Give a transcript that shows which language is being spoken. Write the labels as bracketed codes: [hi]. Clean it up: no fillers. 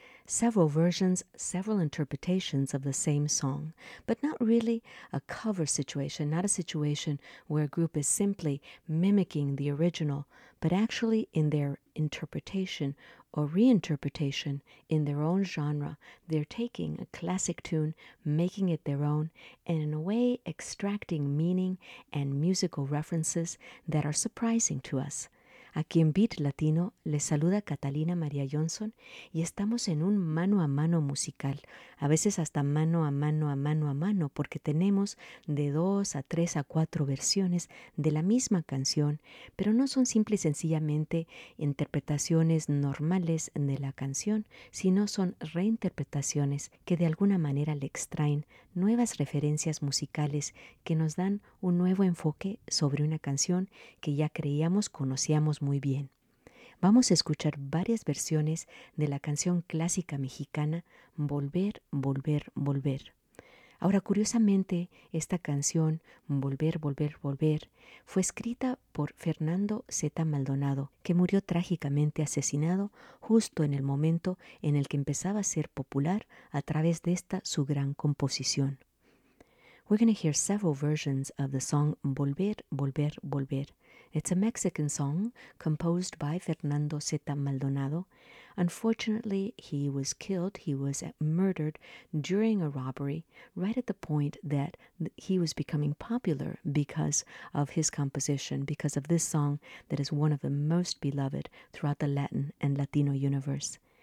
[en] Several versions, several interpretations of the same song, but not really a cover situation, not a situation where a group is simply mimicking the original, but actually in their interpretation or reinterpretation in their own genre, they're taking a classic tune, making it their own, and in a way extracting meaning and musical references that are surprising to us. [es] Aquí en Beat Latino les saluda Catalina María Johnson y estamos en un mano a mano musical, a veces hasta mano a mano a mano a mano, porque tenemos de 2 a 3 a 4 versiones de la misma canción, pero no son simple y sencillamente interpretaciones normales de la canción, sino son reinterpretaciones que de alguna manera le extraen nuevas referencias musicales que nos dan un nuevo enfoque sobre una canción que ya creíamos conocíamos muy bien. Vamos a escuchar varias versiones de la canción clásica mexicana Volver, Volver, Volver. Ahora, curiosamente, esta canción Volver, Volver, Volver fue escrita por Fernando Zeta Maldonado, que murió trágicamente asesinado justo en el momento en el que empezaba a ser popular a través de esta su gran composición. [en] We're going to hear several versions of the song Volver, Volver, Volver. It's a Mexican song composed by Fernando Zeta Maldonado. Unfortunately, he was killed, he was murdered during a robbery right at the point that he was becoming popular because of his composition, because of this song that is one of the most beloved throughout the Latin and Latino universe.